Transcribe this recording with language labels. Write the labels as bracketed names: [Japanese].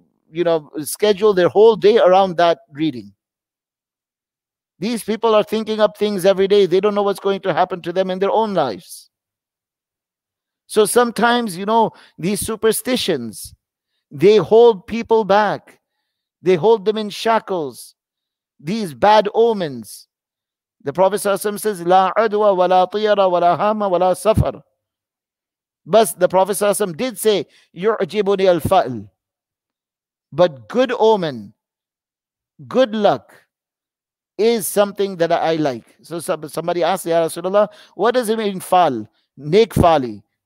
[English] you know, schedule their whole day around that reading. These people are thinking up things every day. They don't know what's going to happen to them in their own lives. So sometimes, you know, these superstitions, they hold people back. They hold them in shackles. These bad omens. The Prophet ﷺ says, [Arabic] لا عدوى ولا طيرة ولا هامة ولا سفر. [English] But the Prophet ﷺ did say, [Arabic] يعجبني الفأل. [English] But good omen, good luck, is something that I like. So somebody asked, Ya Rasulullah, what does it mean, fal? Nek fali.